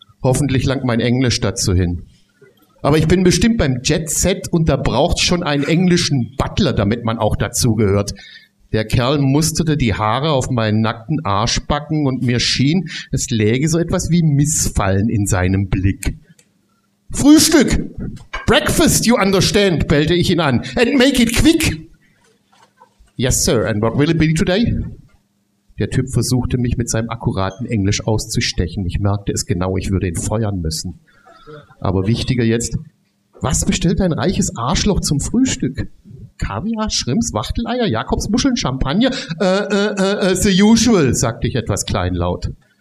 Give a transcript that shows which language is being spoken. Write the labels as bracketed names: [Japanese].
[German] Hoffentlich langt mein Englisch dazu hin. Aber ich bin bestimmt beim Jet Set und da braucht schon einen englischen Butler, damit man auch dazugehört. Der Kerl musterte die Haare auf meinen nackten Arschbacken und mir schien, es läge so etwas wie Missfallen in seinem Blick. Frühstück! [English] Breakfast, you understand, [German] bellte ich ihn an. [English] And make it quick! Yes, sir, and what will it be today? [German] Der Typ versuchte mich mit seinem akkuraten Englisch auszustechen. Ich merkte es genau, ich würde ihn feuern müssen. Aber wichtiger jetzt, was bestellt ein reiches Arschloch zum Frühstück? Kaviar, Schrimps, Wachteleier, Jakobsmuscheln, Champagner? [English] The usual, [German] sagte ich etwas kleinlaut.